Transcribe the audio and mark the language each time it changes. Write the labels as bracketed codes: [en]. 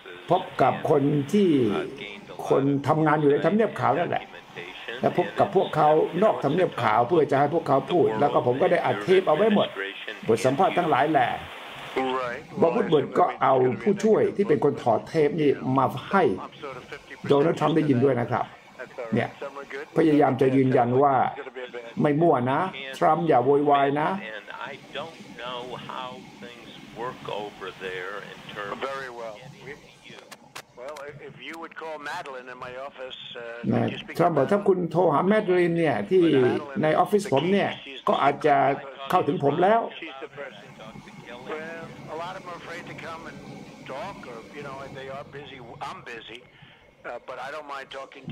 [th] พบกับคนที่คนทำงานอยู่ในทำเนียบขาวนั่นแหละและพบกับพวกเขานอกทำเนียบขาวเพื่อจะให้พวกเขาพูดแล้วก็ผมก็ได้อัดเทปเอาไว้หมดบทสัมภาษณ์ทั้งหลายแหละบ็อบวูดเวิร์ดก็เอาผู้ช่วยที่เป็นคนถอดเทปนี่มาให้โดนัลด์ทรัมป์ได้ยินด้วยนะครับเนี่ยพยายามจะยืนยันว่าไม่มั่วนะทรัมป์อย่าโวยวายนะ [en] I don't know how things work over there in terms very well. Well, if you would call Madeline in my office, can you speak to Madeline? [th] ถ้าคุณโทรหาแมดลีนเนี่ยที่ในออฟฟิศผมเนี่ยก็อาจจะเข้าถึงผมแล้ว [en] Well, a lot of them are afraid to come and talk, or you know, they are busy. I'm busy, but I don't mind talking to you.